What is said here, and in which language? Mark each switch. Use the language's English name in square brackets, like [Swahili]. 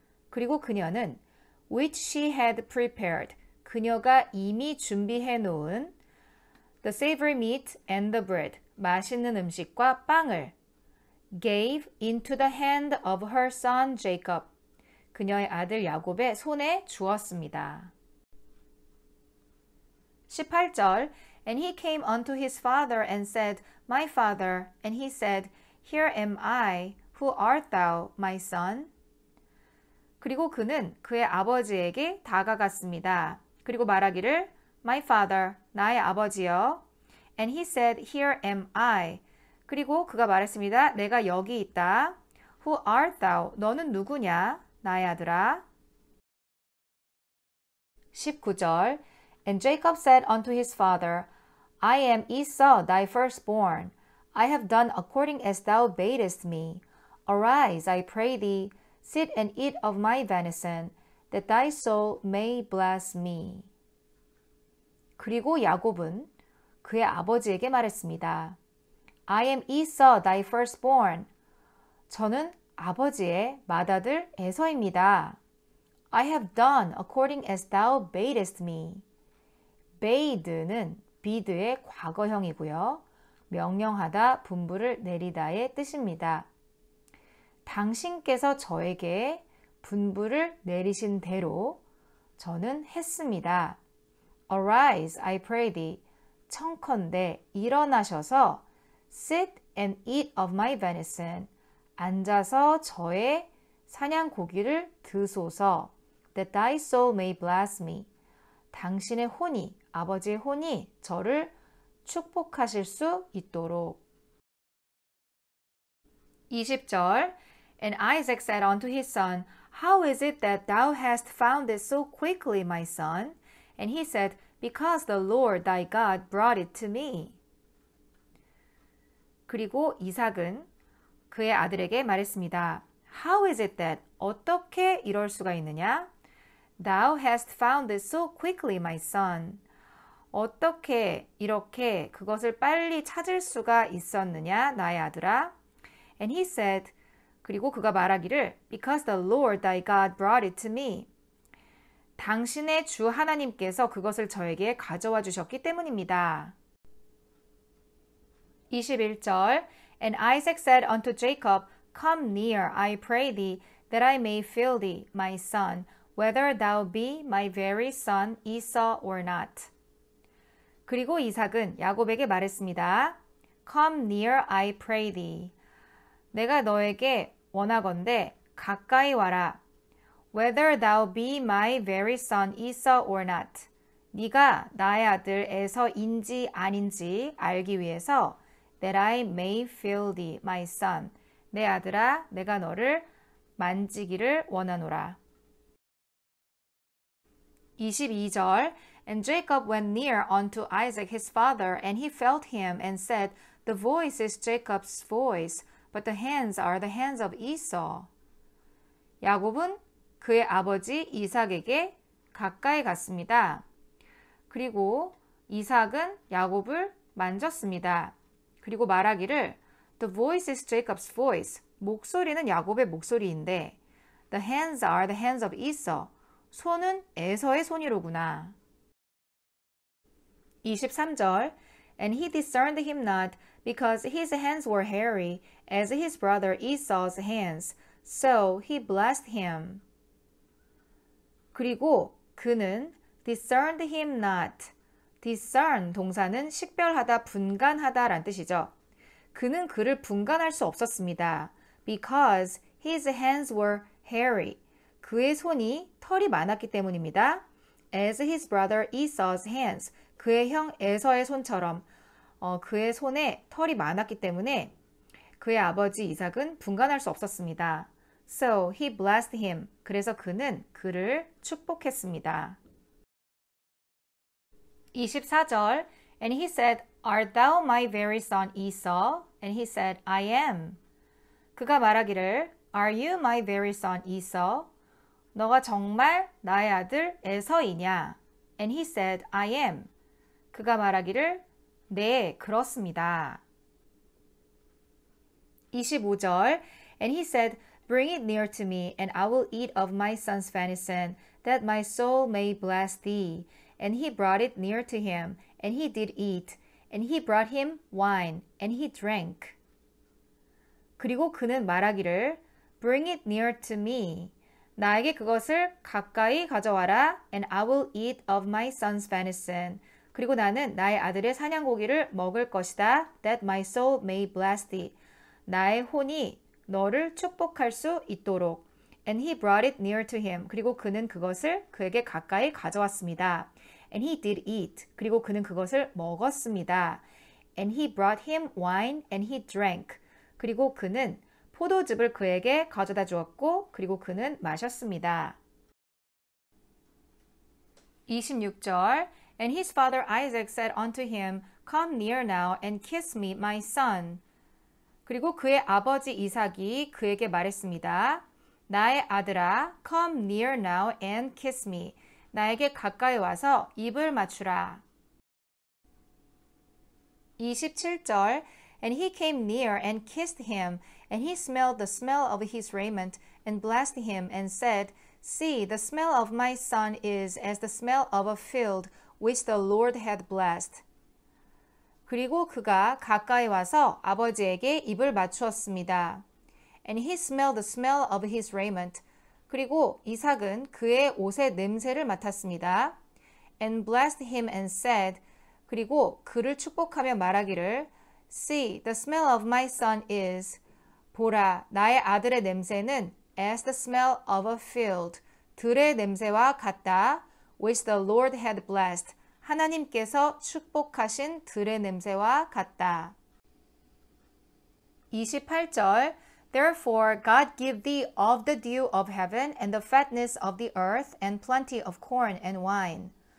[Korean] 그리고 그녀는 [English] which she had prepared, [Korean] 그녀가 이미 준비해 놓은 [English] the savory meat and the bread, [Korean] 맛있는 음식과 빵을 [English] gave into the hand of her son Jacob, [Korean] 그녀의 아들 야곱의 손에 주었습니다. [English] 18절, and he came unto his father and said, my father, and he said, here am I, who art thou, my son? [Korean] 그리고 그는 그의 아버지에게 다가갔습니다. 그리고 말하기를, [English] my father, [Korean] 나의 아버지여. [English] And he said, here am I. [Korean] 그리고 그가 말했습니다. 내가 여기 있다. [English] Who art thou? [Korean] 너는 누구냐? 나의 아들아. [English] 19절. And Jacob said unto his father, I am Esau, thy firstborn. I have done according as thou badest me. Arise, I pray thee, sit and eat of my venison, that thy soul may bless me. [Korean] 그리고 야곱은 그의 아버지에게 말했습니다. [English] I am Esau, thy firstborn. [Korean] 저는 아버지의 맏아들 에서입니다. [English] I have done according as thou badest me. [Korean] Bade는 bid의 과거형이고요. 명령하다, 분부를 내리다의 뜻입니다. 당신께서 저에게 분부를 내리신 대로 저는 했습니다. [English] Arise, I pray thee. [Korean] 청컨대 일어나셔서 [English] sit and eat of my venison. [Korean] 앉아서 저의 사냥 고기를 드소서 [English] that thy soul may bless me. [Korean] 당신의 혼이, 아버지의 혼이 저를 축복하실 수 있도록. [English] 20절 And Isaac said unto his son, How is it that thou hast found it so quickly, my son? And he said, Because the Lord thy God brought it to me. [Korean] 그리고 이삭은 그의 아들에게 말했습니다. [English] How is it that, [Korean] 어떻게 이럴 수가 있느냐? [English] Thou hast found it so quickly, my son. [Korean] 어떻게 이렇게 그것을 빨리 찾을 수가 있었느냐, 나의 아들아? [English] And he said, [Korean] 그리고 그가 말하기를 [English] Because the Lord thy God brought it to me. [Korean] 당신의 주 하나님께서 그것을 저에게 가져와 주셨기 때문입니다. [English] 21절 And Isaac said unto Jacob, Come near, I pray thee, that I may feel thee, my son, whether thou be my very son Esau or not. [Korean] 그리고 이삭은 야곱에게 말했습니다. [English] Come near, I pray thee. [Korean] 내가 너에게 원하건대 가까이 와라. [English] Whether thou be my very son Esau or not. [Korean] 네가 나의 아들 에서인지 아닌지 알기 위해서 [English] that I may feel thee, my son. [Korean] 내 아들아, 내가 너를 만지기를 원하노라. [English] 22절 And Jacob went near unto Isaac his father, and he felt him, and said, The voice is Jacob's voice, but the hands are the hands of Esau. [Korean] 야곱은 그의 아버지 이삭에게 가까이 갔습니다. 그리고 이삭은 야곱을 만졌습니다. 그리고 말하기를, [English] The voice is Jacob's voice. [Korean] 목소리는 야곱의 목소리인데, [English] The hands are the hands of Esau. [Korean] 손은 에서의 손이로구나. [English] 23절 And he discerned him not, because his hands were hairy, as his brother Esau's hands. So he blessed him. [Korean] 그리고 그는 [English] discerned him not. [Korean] discern 동사는 식별하다, 분간하다 라는 뜻이죠. 그는 그를 분간할 수 없었습니다. [English] Because his hands were hairy. [Korean] 그의 손이 털이 많았기 때문입니다. [English] As his brother Esau's hands. [Korean] 그의 형 에서의 손처럼 그의 손에 털이 많았기 때문에 그의 아버지 이삭은 분간할 수 없었습니다. [English] So he blessed him. [Korean] 그래서 그는 그를 축복했습니다. 24절 [English] And he said, Art thou my very son Esau? And he said, I am. [Korean] 그가 말하기를, [English] Are you my very son Esau? [Korean] 너가 정말 나의 아들 에서이냐? [English] And he said, I am. [Korean] 그가 말하기를, 네, 그렇습니다. [English] 25절, And he said, Bring it near to me, and I will eat of my son's venison, that my soul may bless thee. And he brought it near to him, and he did eat, and he brought him wine, and he drank. [Korean] 그리고 그는 말하기를, [English] Bring it near to me, [Korean] 나에게 그것을 가까이 가져와라, [English] and I will eat of my son's venison, [Korean] 그리고 나는 나의 아들의 사냥고기를 먹을 것이다, [English] that my soul may bless thee, [Korean] 나의 혼이 너를 축복할 수 있도록. [English] And he brought it near to him. [Korean] 그리고 그는 그것을 그에게 가까이 가져왔습니다. [English] And he did eat. [Korean] 그리고 그는 그것을 먹었습니다. [English] And he brought him wine and he drank. [Korean] 그리고 그는 포도즙을 그에게 가져다 주었고 그리고 그는 마셨습니다. [English] 26절 And his father Isaac said unto him, Come near now and kiss me, my son. [Korean] 그리고 그의 아버지 이삭이 그에게 말했습니다. 나의 아들아, [English] come near now and kiss me. [Korean] 나에게 가까이 와서 입을 맞추라. [English] 27절 And he came near and kissed him, and he smelled the smell of his raiment, and blessed him, and said, See, the smell of my son is as the smell of a field which the Lord hath blessed. [Korean] 그리고 그가 가까이 와서 아버지에게 입을 맞추었습니다. [English] And he smelled the smell of his raiment. [Korean] 그리고 이삭은 그의 옷의 냄새를 맡았습니다. [English] And blessed him and said, [Korean] 그리고 그를 축복하며 말하기를, [English] See, the smell of my son is, [Korean] 보라, 나의 아들의 냄새는 [English] as the smell of a field, [Korean] 들의 냄새와 같다, [English] which the Lord had blessed. [Korean] 하나님께서 축복하신 들의 냄새와 같다. [English] 28절 Therefore God give thee of the dew of heaven and the fatness of the earth and plenty of corn and wine.